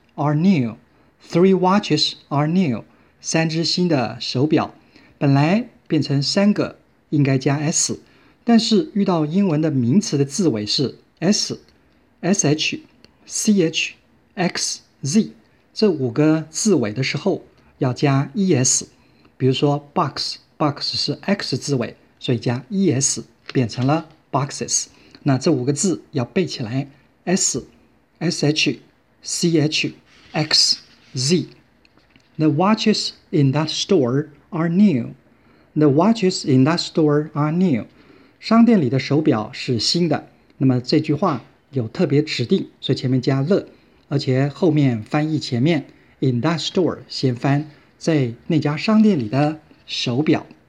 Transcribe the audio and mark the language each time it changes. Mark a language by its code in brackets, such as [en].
[en] are new， three watches are new， [zh] 三只新的手表。本来变成三个应该加 s， 但是遇到英文的名词的字尾是 s， sh， ch， x， z， 这五个字尾的时候要加 es， 比如说 box 是 x 字尾，所以加 es 变成了 boxes。那这五个字要背起来， s， sh， ch，X, Z. [en] The watches in that store are new. The watches in that store are new. [zh] 商店里的手表是新的。那么这句话有特别指定，所以前面加了，而且后面翻译前面 [en] in that store [zh] 先翻，在那家商店里的手表。